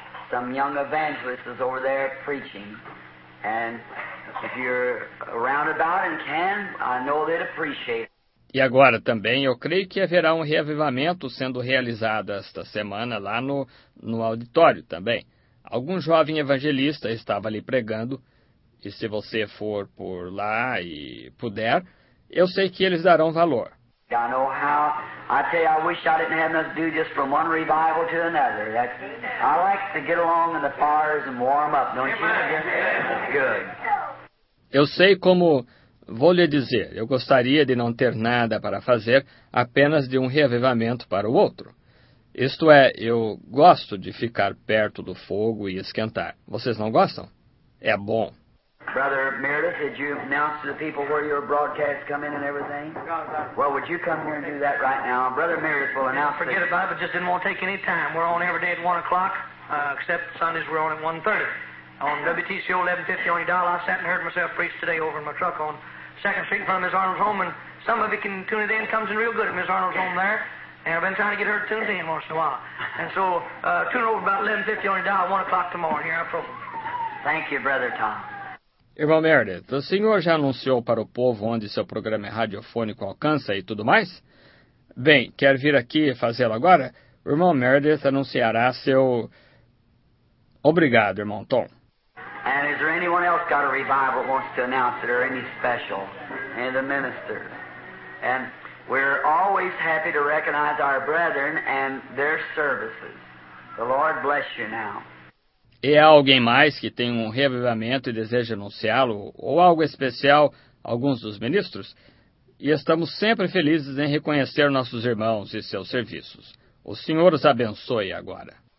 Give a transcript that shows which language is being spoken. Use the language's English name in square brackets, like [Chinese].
[English] Some young evangelists is over there preaching. And if you're around about and can, I know they'd appreciate it. [Portuguese] E agora também eu creio que haverá um reavivamento sendo realizado esta semana lá no auditório também. Algum jovem evangelista estava ali pregando, e se você for por lá e puder, eu sei que eles darão valor. [English] I know how. I tell you, I wish I didn't have enough to do just from one revival to another. I like to get along in the fires and warm up, don't you? Good. [Portuguese] Eu sei como. Vou lhe dizer, eu gostaria de não ter nada para fazer, apenas de um reavivamento para o outro. Isto é, eu gosto de ficar perto do fogo e esquentar. Vocês não gostam? É bom. [English] Brother Meredith, did you announce to the people where your broadcast come in and everything? Well, would you come here and do that right now? Brother Meredith will announce. Forget about it, but just didn't want to take any time. We're on every day at 1 o'clock, except Sundays we're on at 1:30. On WTCO 1150 on your dial, I sat and heard myself preach today over in my truck on 2nd Street in front of Ms. Arnold's home, and some of you can tune it in. Comes in real good at Ms. Arnold's home there, and I've been trying to get her tuned in once in a while. And so tune over about 1150 on your dial, 1 o'clock tomorrow here on program. Thank you, Brother Tom. [Portuguese] Irmão Meredith, o senhor já anunciou para o povo onde seu programa radiofônico alcança e tudo mais? Bem, quer vir aqui fazê-lo agora? O irmão Meredith anunciará seu... Obrigado, irmão Tom. [English] And is there anyone else got a revival that wants to announce it, or any special, any of the ministers? And we're always happy to recognize our brethren and their services. The Lord bless you now. [Portuguese] E há alguém mais que tem um reavivamento e deseja anunciá-lo, ou algo especial, alguns dos ministros? E estamos sempre felizes em reconhecer nossos irmãos e seus serviços. O Senhor os abençoe agora.